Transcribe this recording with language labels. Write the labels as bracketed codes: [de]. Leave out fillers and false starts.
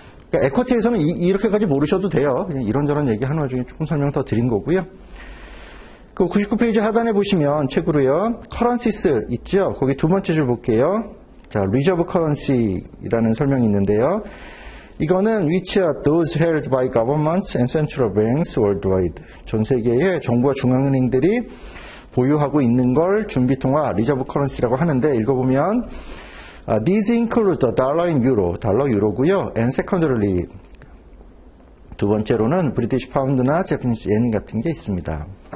[ko] 그러니까 에쿼티에서는 이렇게까지 모르셔도 돼요. 그냥 이런저런 얘기하는 와중에 조금 설명 더 드린 거고요. 그 99페이지 하단에 보시면 책으로요. 커런시스 있죠. 거기 두 번째 줄 볼게요. 자, 리저브 커런시라는 설명이 있는데요. 이거는 [en] which are those held by governments and central banks worldwide. [ko] 전 세계의 정부와 중앙은행들이 보유하고 있는 걸 준비통화, 리저브 커런시라고 하는데 읽어보면 [en] these include the dollar and euro, [ko] 달러 유로고요. [en] And secondarily, [ko] 두 번째로는 [en] British pound나 Japanese yen [ko] 같은 게 있습니다.